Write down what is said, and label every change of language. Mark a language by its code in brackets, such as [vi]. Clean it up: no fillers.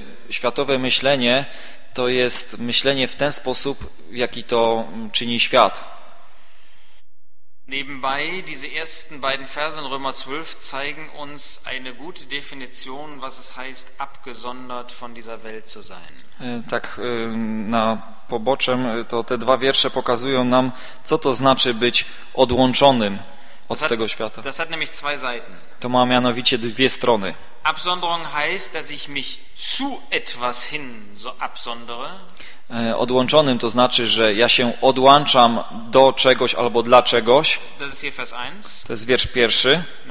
[pl] Światowe myślenie to jest myślenie w ten sposób, jaki to czyni świat. [de] Nebenbei, diese ersten beiden Verse in Römer 12 zeigen uns eine gute Definition, was es heißt, abgesondert von dieser Welt zu sein. [pl] Tak na poboczem, to te dwa wiersze pokazują nam, co to znaczy być odłączonym od tego świata. [de] Das hat nämlich zwei Seiten. [pl] To ma mianowicie dwie strony. [de] Absonderung heißt, dass ich mich zu etwas hin so absondere. [pl] Odłączonym to znaczy, że ja się odłączam do czegoś albo dla czegoś. To jest wiersz pierwszy.